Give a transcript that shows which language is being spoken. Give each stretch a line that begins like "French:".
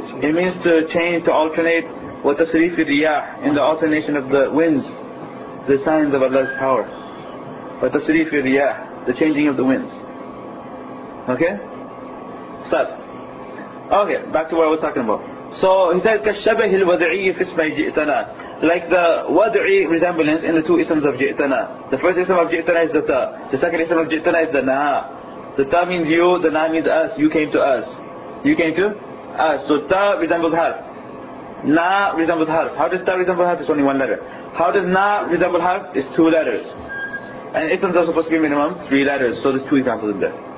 English: It means to change, to alternate with the Sarifi Riyah in the alternation of the winds, the signs of Allah's power. With the Sarifi Riyah, the changing of the winds. Okay? Saf. Okay, back to what I was talking about. So he said,
Arabic: كَالشَّبَهِ الْوَدْعِيِّ فِي اسْمَيْ جِئْتَنَا.
English: Like the wad'i resemblance in the two isms of jitana. The first ism of jitana is the ta. The second ism of jitana is the na. The ta means you, the na means us. You came to us. You came to us. So ta resembles harf. Na resembles harf. How does ta resemble harf? It's only one letter. How does na resemble harf? It's two letters. And isms are supposed to be minimum 3 letters. So there's 2 examples in there.